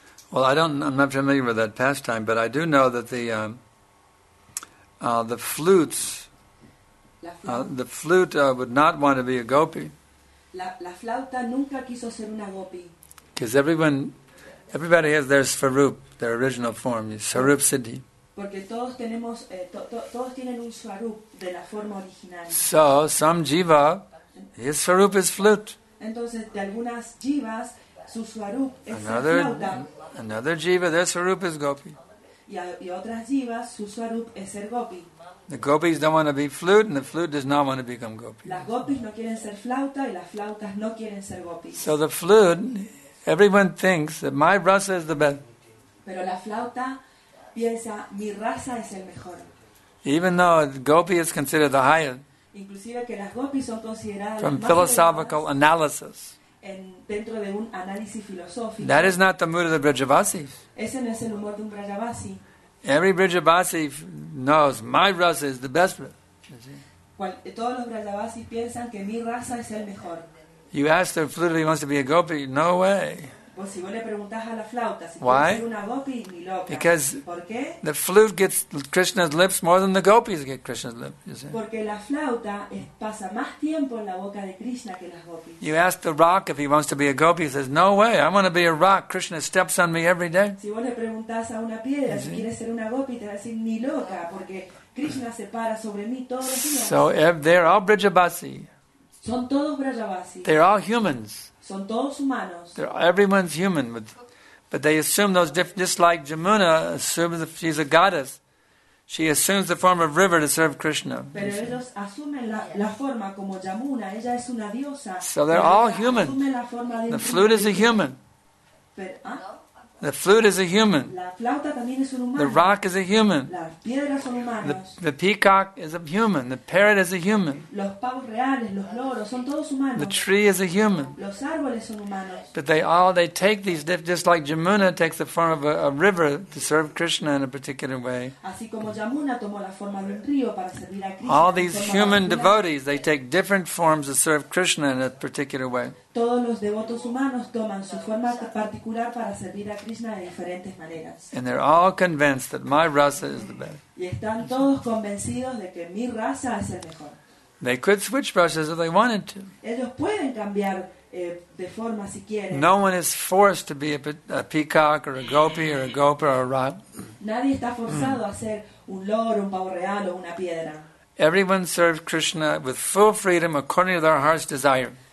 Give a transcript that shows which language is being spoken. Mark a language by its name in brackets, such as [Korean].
[English] Well, I'm not familiar with that pastime, but I do know that the flute would not want to be a gopi. [Spanish] La flauta nunca quiso ser una gopi. [English] Because everybody has their svarup, their original form, svarup siddhi. [Spanish] Porque todos tenemos todos tienen un svarup de la forma original. [English] So some jiva. His swarup is flute. [Spanish] Entonces, de algunas jivas, su swarup es [English] flauta. Another jiva, their swarup is gopi. [Spanish] Y otras jivas, su swarup es ser gopi. [English] The gopis don't want to be flute, and the flute does not want to become gopi. [Spanish] Las gopis no quieren ser flauta, y las flautas no quieren ser gopis. [English] So the flute, everyone thinks that my rasa is the best. [Spanish] Pero la flauta piensa, mi rasa es el mejor. [English] Even though gopi is considered the highest, [Spanish] inclusive que las gopis son consideradas [English] from philosophical analysis. [Spanish] dentro de un análisis filosófico. [English] That is not the mood of the Brijavasi. [Spanish] Ese no es el humor de un Brijavasi. [English] Every Brijavasi knows my race is the best. [Spanish] Todos los Brijavasi piensan que mi raza es el mejor. [English] You ask the flute if he wants to be a gopi, no way. [Spanish] Pues si vos le preguntás a la flauta si [English] Why? [Spanish] Quiere ser una gopi, ni loca. [English] Because [Spanish] ¿Por qué? [English] The flute gets Krishna's lips more than the gopis get Krishna's lips, you see. [Spanish] Porque la flauta pasa más tiempo en la boca de Krishna que las gopis. [English] You ask the rock if he wants to be a gopi, he says, no way, I want to be a rock, Krishna steps on me every day. [Spanish] Si vos le preguntás a una piedra si quiere ser una gopi, te va a decir, ni loca, porque Krishna se para sobre mí todos los días. [English] So if they're all Brijabasi. [Spanish] Son todos Brijabasi. [English] They're all humans. [Spanish] Son todos humanos. [English] They're, everyone's human, but they assume those different, just like Jamuna assumes that she's a goddess. She assumes the form of river to serve Krishna. [Spanish] Pero ellos asumen la forma como Jamuna, ella es una diosa. [English] So they're all human. [Spanish] Asumen la forma de [English] the flute is a human. [Spanish] Pero, ¿ah? [English] The flute is a human. [Spanish] La flauta también es un humano. [English] The rock is a human. [Spanish] Las piedras son humanos. [English] The peacock is a human. The parrot is a human. [Spanish] Los pavos reales, los loros, son todos humanos. [English] The tree is a human. [Spanish] Los árboles son humanos. [English] But they take these, just like Jamuna takes the form of a river to serve Krishna in a particular way. [Spanish] Así como Jamuna tomó la forma de un río para servir a Krishna. [English] All these human devotees, they take different forms to serve Krishna in a particular way. [Spanish] Todos los devotos humanos toman su forma particular para servir a Krishna de diferentes maneras. [English] And they're all convinced that my rasa is the best. [Spanish] Y están todos convencidos de que mi raza es el mejor. [English] They could switch rasas if they wanted to. [Spanish] Ellos pueden cambiar de forma si quieren. [English] No one is forced to be a peacock or a gopi or a gopher or a rock. [Spanish] Nadie está forzado a ser un loro, un pavo real o una piedra. [English] Everyone serves Krishna with full freedom according to their heart's desire.